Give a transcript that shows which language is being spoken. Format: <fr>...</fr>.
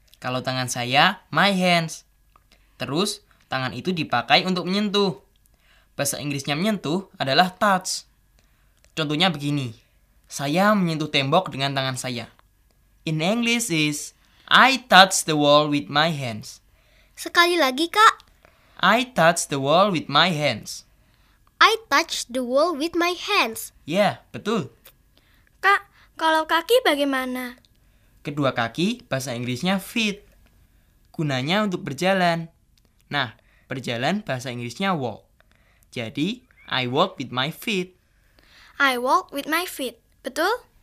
<id>Kalau tangan saya,</id> <en>my hands.</en> <id>Terus, tangan itu dipakai untuk menyentuh. Bahasa Inggrisnya menyentuh adalah touch. Contohnya begini. Saya menyentuh tembok dengan tangan saya.</id> <en>In English is, I touch the wall with my hands.</en> <id>Sekali lagi, Kak.</id> <en>I touch the wall with my hands. I touch the wall with my hands. Yeah,</en> <id>betul. Kak, kalau kaki bagaimana? Kedua kaki, bahasa Inggrisnya feet. Gunanya untuk berjalan. Nah, berjalan bahasa Inggrisnya walk. Jadi,</id> <en>I walk with my feet. I walk with my feet,</en> <id>betul?</id>